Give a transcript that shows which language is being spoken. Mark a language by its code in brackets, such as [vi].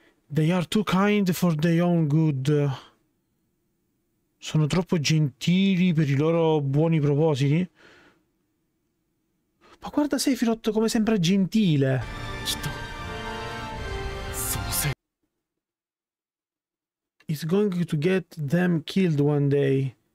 [en] They are too kind for their own good. [it] Sono troppo gentili per i loro buoni propositi? Ma guarda Sephiroth come sembra gentile. [en] It's going to get them killed one day.